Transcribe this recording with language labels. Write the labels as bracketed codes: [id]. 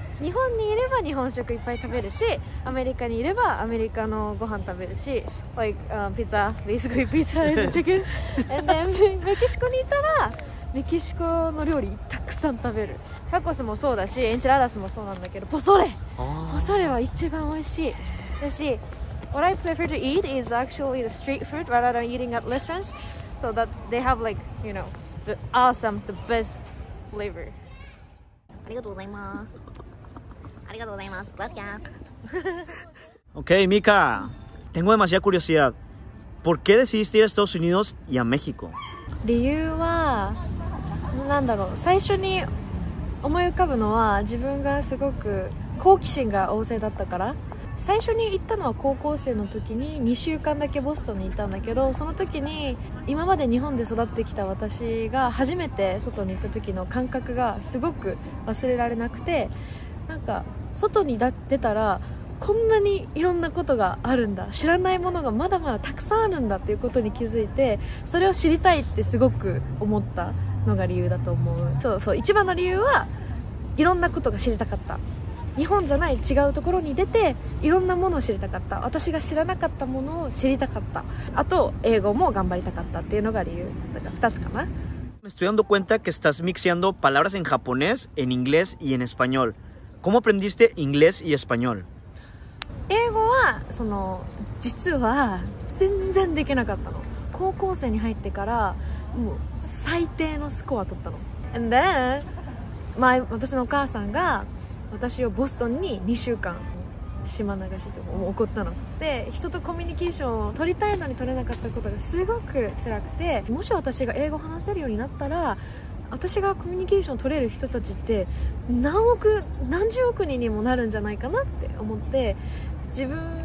[ja] 日本にいれば日本食いっぱい食べるし、アメリカにいればアメリカのご飯食べるし、ピザ、ベースグリーピザ、チキン、メキシコにいたらメキシコの料理たくくさん食べる。タコスもそうだし、エンチラダスもそうなんだけど、ポソレ、ポソレは一番美味しい。だし、 [en] What I prefer to eat is actually the street food rather than eating at restaurants, so that they have like, you know, the awesome, the best flavor. [ja] ありがとうございます。ありがとうございます。 [es] Gracias. Okay, Mika, tengo demasiada curiosidad. ¿Por qué decidiste ir a Estados Unidos y a México? [ja] 理由は、なんだろう。最初に思い浮かぶのは、自分がすごく好奇心が旺盛だったから。最初に行ったのは高校生の時に2週間だけボストンに行ったんだけど、その時に今まで日本で育ってきた私が初めて外に行った時の感覚がすごく忘れられなくて、なんか外に出たらこんなにいろんなことがあるんだ、知らないものがまだまだたくさんあるんだっていうことに気づいて、それを知りたいってすごく思ったのが理由だと思う。そうそう、一番の理由はいろんなことが知りたかった。日本じゃない違うところに出ていろんなものを知りたかった。私が知らなかったものを知りたかった。あと英語も頑張りたかったっていうのが理由だから2つかな。 [es] Me estoy dando cuenta que estás mixeando palabras en japonés, en inglés y en español. ¿Cómo aprendiste inglés y español? [ja] 英語はその実は全然できなかったの。高校生に入ってからもう最低のスコア取ったの。 [en] And then my [ja] 私のお母さんが私をボストンに2週間島流しとか怒ったので、人とコミュニケーションを取りたいのに取れなかったことがすごく辛くて、もし私が英語話せるようになったら、私がコミュニケーション取れる人たちって何億何十億人にもなるんじゃないかなって思って、自分